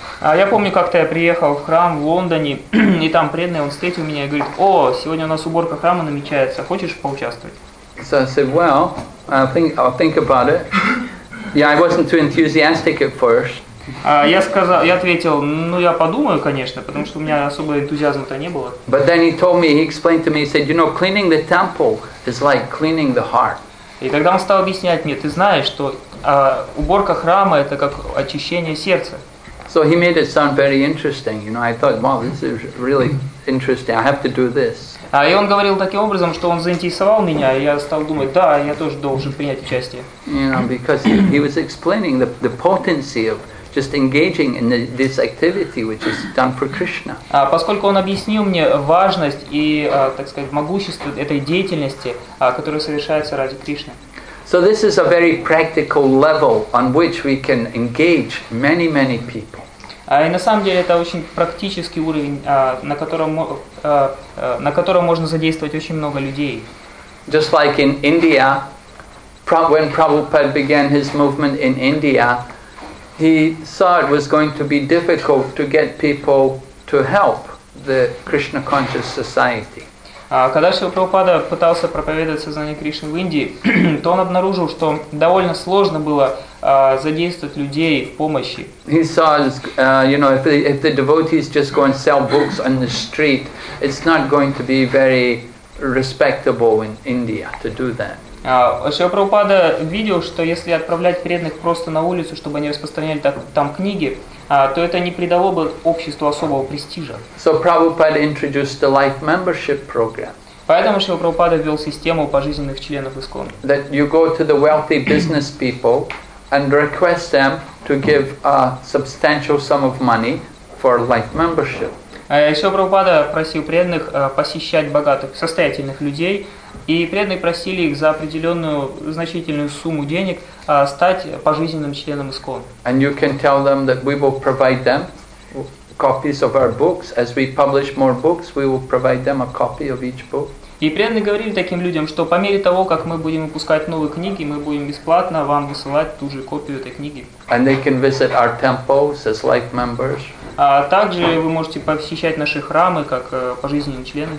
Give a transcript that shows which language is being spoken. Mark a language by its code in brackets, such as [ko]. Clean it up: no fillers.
[ru] Я помню, как-то я приехал в храм в Лондоне, и там преданный, он встретил меня и говорит, о, сегодня у нас уборка храма намечается, хочешь поучаствовать? [en] So I said, well, I'll think about it. Yeah, I wasn't too enthusiastic at first. [ru] Я ответил, ну я подумаю, конечно, потому что у меня особого энтузиазма-то не было. [en] But then he told me, he explained to me, he said, you know, cleaning the temple is like cleaning the heart. [ru] И тогда он стал объяснять мне, ты знаешь, что уборка храма это как очищение сердца. [en] So he made it sound very interesting, you know. I thought, wow, this is really interesting. I have to do this. [ru] И он говорил таким образом, что он заинтересовал меня, и я стал думать, да, я тоже должен принять участие. [en] You know, because he was explaining the potency of just engaging in this activity, which is done for Krishna. [ru] Поскольку он объяснил мне важность и, так сказать, могущество этой деятельности, которая совершается ради Кришны. [en] So this is a very practical level on which we can engage many, many people. [ru] И на самом деле это очень практический уровень, на котором можно задействовать очень много людей. [en] Just like in India, when Prabhupada began his movement in India, he saw it was going to be difficult to get people to help the Krishna conscious society. [ru] Когда Шрила Прабхупада пытался проповедовать сознание Кришны в Индии, то он обнаружил, что довольно сложно было задействовать людей в помощи. [en] He saw, you know, if the devotees just go and sell books on the street, it's not going to be very respectable in India to do that. [ru] Шрила Прабхупада видел, что если отправлять преданных просто на улицу, чтобы они распространяли там книги, то это не придало бы обществу особого престижа. [en] So Prabhupada introduced the life membership program. [ru] Поэтому Шрила Прабхупада ввел систему пожизненных членов ИСКОН. [en] That you go to the wealthy business people and request them to give a substantial sum of money for life membership. [ru] Шрила Прабхупада просил преданных посещать богатых, состоятельных людей, И преданные просили их за определенную значительную сумму денег стать пожизненным членом ИСККОН. [en] And you can tell them that we will provide them copies of our books. As we publish more books, we will provide them a copy of each book. [ru] И преданные говорили таким людям, что по мере того, как мы будем выпускать новые книги, мы будем бесплатно вам высылать ту же копию этой книги. [en] And they can visit our temples as life members. [ru] А также вы можете посещать наши храмы как пожизненные члены.